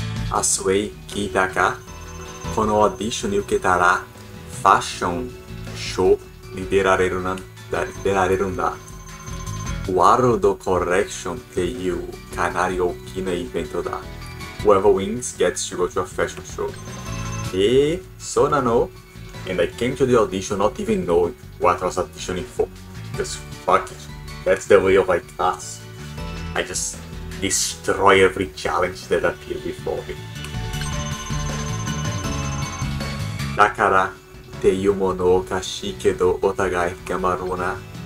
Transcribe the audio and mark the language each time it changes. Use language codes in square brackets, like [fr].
[ja] アスウェイ、聞いたか？このオーディションに受けたら、ファッションショーに出られるんだ。ワールドコレクションっていうかなり大きなイベントだ。 [en] Whoever wins gets to go to a fashion show. [ja] そうなの？ [en] And I came to the audition not even knowing what I was auditioning for. Because fuck it, that's the way of my class. I just destroy every challenge that appeared before me. [ja] だからっていうものおかしいけどお互い頑張ろうな。